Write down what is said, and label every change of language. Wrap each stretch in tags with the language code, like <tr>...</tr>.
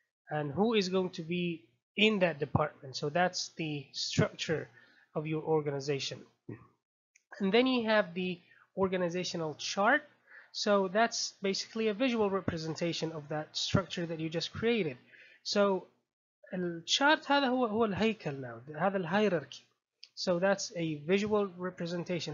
<en>And who is going to be in that department? So that's the structure of your organization. And then you have the organizational chart. So that's basically a visual representation of that structure that you just created.</en> <ar>So الشارت هذا هو الهيكل now, هذا الهيراركي.</ar> <en>So that's a visual representation.</en>